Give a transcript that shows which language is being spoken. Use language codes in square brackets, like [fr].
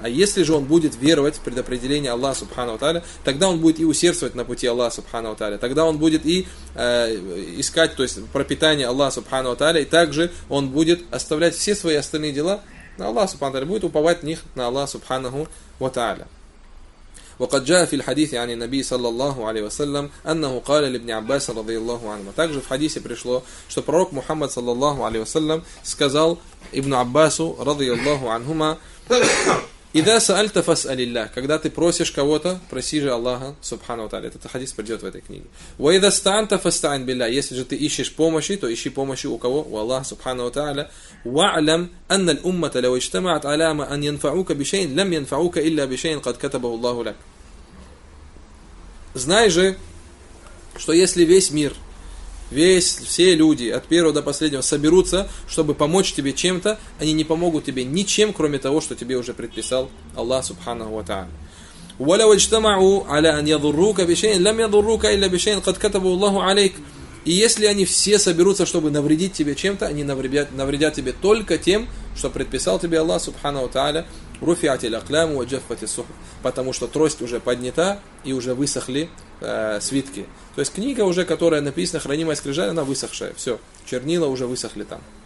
[ru] А если же он будет веровать в предопределение Аллаха Субхана ва Тааля, тогда он будет и усердствовать на пути Аллаха Субхана ва Тааля, тогда он будет и искать, то есть, пропитание Аллаха Субхана ва Тааля, и также он будет оставлять все свои остальные дела на Аллах Субхана ва Тааля, будет уповать в них на Аллах Субханаху ва Тааля. [ar] وقد جاء في الحديث عن النبي صلى الله عليه وسلم أنه قال لابن عباس رضي الله عنهما. [ru] Также в хадисе пришло, что пророк Мухаммад صلى الله عليه وسلم сказал ابن عباس رضي الله عنهما: [ar] إذا سألت فاسأل الله. [ru] Когда ты просишь кого-то, проси же Аллаха Субхана ва Тааля. Этот хадис придет в этой книге. [ar] وإذا استعنت فاستعن بالله. [ru] Если же ты ищешь помощи, то ищи помощи у кого? У Аллаха Субхана ва Тааля. [ar] واعلم ان الامه لو اجتمعت على ان ينفعوك بشيء لم ينفعوك الا بشيء قد كتبه الله لك. [ru] Знай же, что если весь мир, все люди от первого до последнего соберутся, чтобы помочь тебе чем-то, они не помогут тебе ничем, кроме того, что тебе уже предписал Аллах субханаху ва тааля. [ar] ولو اجتمعوا على ان يضروك بشيء لم يضروك الا بشيء قد كتبه الله عليك. [ru] И если они все соберутся, чтобы навредить тебе чем-то, они навредят тебе только тем, что предписал тебе Аллах Субханаху Тааля, [ar] руфиати ляхляму ваджафати сух, [ru] потому что трость уже поднята и уже высохли свитки. То есть книга уже, которая написана, хранимая скрижаль, она высохшая. Все, чернила уже высохли там.